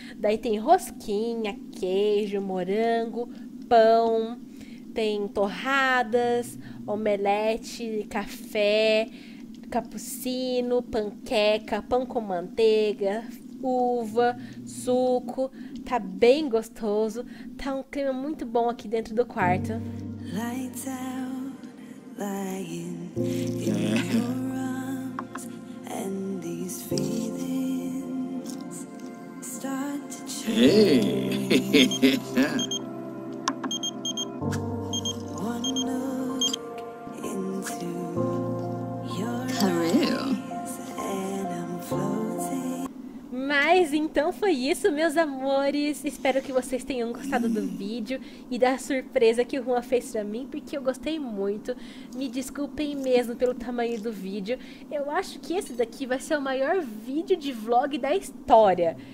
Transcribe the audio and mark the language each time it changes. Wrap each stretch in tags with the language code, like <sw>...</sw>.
<pt>Daí tem rosquinha, queijo, morango, pão, tem torradas, omelete, café, cappuccino, panqueca, pão com manteiga, uva, suco, tá bem gostoso, tá um clima muito bom aqui dentro do quarto.</pt> <en>Lights out, lying in your arms, and these feelings start to change. Hey. One look into your eyes, and I'm floating.</en> <pt>Mas então foi isso, meus amores. Espero que vocês tenham gostado do vídeo e da surpresa que o Juan fez pra mim, porque eu gostei muito. Me desculpem mesmo pelo tamanho do vídeo. Eu acho que esse daqui vai ser o maior vídeo de vlog da história.</pt>